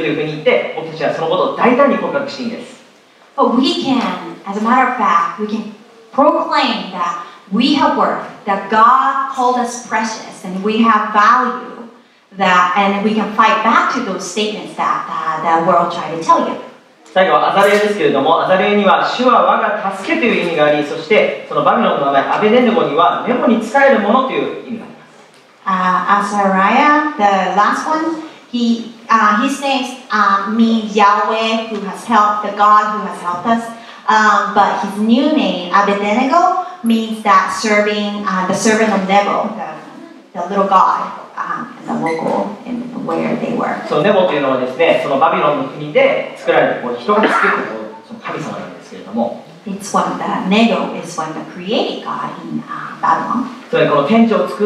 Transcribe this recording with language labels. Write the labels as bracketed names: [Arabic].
[Japanese] ではもし皆さんのことを価値がないものだ、愛されていないものだ、誰が何と言おうと自分は愛されている、価値がある、神様はそう言っているというふうに言って、僕たちはそのことを大胆に告白していいんです。 [English] But we can, as a matter of fact, we can proclaim that we have worth, that God called us precious, and we have value, that, and we can fight back to those statements that world tried to tell you. [Japanese] 最後はアザリアですけれども、アザリアには主は我が助けという意味があり、そしてそのバビロンの名前アベデネゴには目もに使えるものという意味があります。アザリア, [English] the last one, his name means Yahweh, who has helped, the God who has helped us. But his new name, Abednego, means that serving, the servant of Nebo, the little god, the local, in where they were. So [Japanese] Nebo というのはですね、そのバビロンの国で作られて、人が作ったその神様なんですけれども。 [English] It's one that Nebo is one the created god in Babylon.